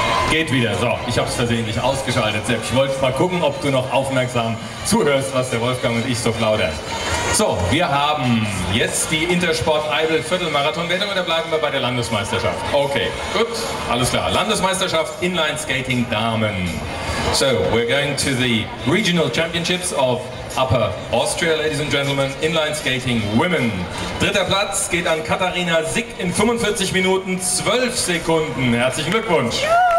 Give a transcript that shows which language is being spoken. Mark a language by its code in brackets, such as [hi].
[de] Geht wieder. So, ich habe es versehentlich ausgeschaltet, Sepp. Ich wollte mal gucken, ob du noch aufmerksam zuhörst, was der Wolfgang und ich so plaudern. So, wir haben jetzt die Intersport Eibel Viertelmarathon-Wertung oder bleiben wir bei der Landesmeisterschaft? Okay, gut, alles klar. Landesmeisterschaft Inline Skating Damen. [en] So, we're going to the Regional Championships of Upper Austria, ladies and gentlemen, Inline Skating Women. [de] Dritter Platz geht an Katharina Sick in 45 Minuten 12 Sekunden. Herzlichen Glückwunsch! Juhu!